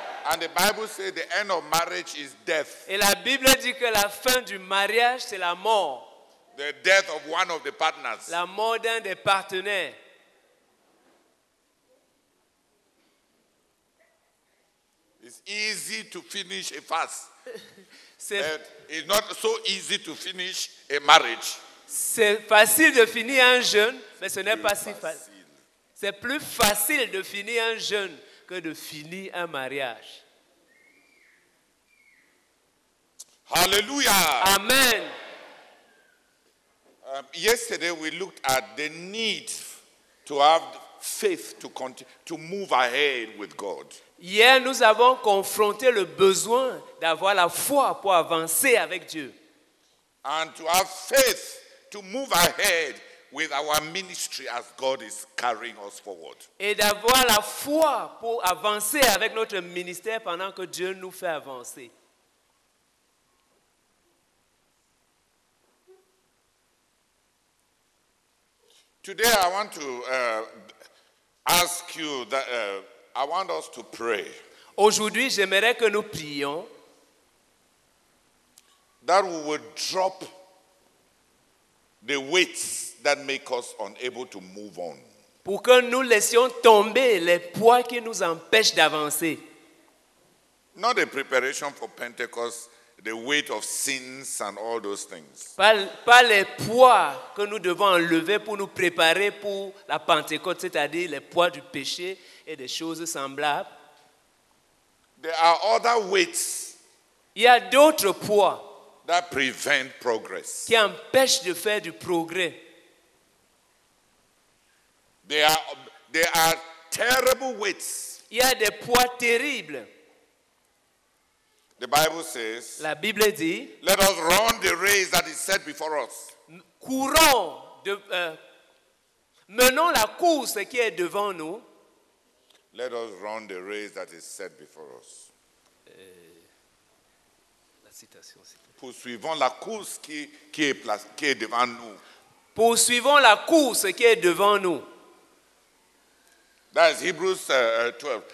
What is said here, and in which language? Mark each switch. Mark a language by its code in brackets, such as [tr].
[en] And the Bible says the end of marriage is death. [fr] Et la Bible dit que la fin du mariage c'est la mort. [en] The death of one of the partners. [fr] La mort d'un des partenaires. [en] It's easy to finish a fast. It's not so easy to finish a marriage. [fr] C'est facile de finir un jeûne, mais ce n'est pas si facile. C'est plus facile de finir un jeûne que de finir un mariage. [en] Hallelujah. Amen. Yesterday we looked at the need to have faith to continue, to move ahead with God. [fr] Hier, nous avons confronté le besoin d'avoir la foi pour avancer avec Dieu. [en] And to have faith to move ahead with our ministry as God is carrying us forward. [fr] Et d'avoir la foi pour avancer avec notre ministère pendant que Dieu nous fait avancer. [en] Today, I want to ask you that. I want us to pray. [fr] Aujourd'hui, j'aimerais que nous prions. [en] That we would drop the weights that make us unable to move on. [fr] Pour que nous laissions tomber les poids qui nous empêchent d'avancer. [en] Not the preparation for Pentecost, the weight of sins and all those things. [fr] Pas les poids que nous devons enlever pour nous préparer pour la Pentecôte, c'est-à-dire les poids du péché. Et des choses semblables. [en] There are other weights. [fr] Il y a d'autres poids. [en] That prevent progress. [fr] Qui empêchent de faire du progrès. [en] There are terrible weights. [fr] Il y a des poids terribles. [en] The Bible says. [fr] La Bible dit. [en] Let us run the race that is set before us. [fr] Courons de menons la course qui est devant nous. [en] Let us run the race that is set before us. [fr] La citation, poursuivons la course qui est devant nous. Poursuivons la course qui est devant nous. [en] That is Hebrews 12.